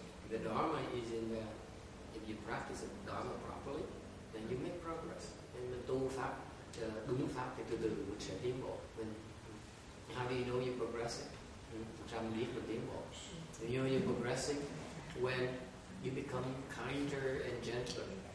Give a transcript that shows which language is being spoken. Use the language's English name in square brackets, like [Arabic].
[English] The dharma is in the, if you practice the dharma properly, then you make progress. [Vietnamese] And mình tu pháp đúng pháp thì từ từ mình sẽ tiến bộ. [English] How do you know you're progressing? You know you're progressing when you become kinder and gentler.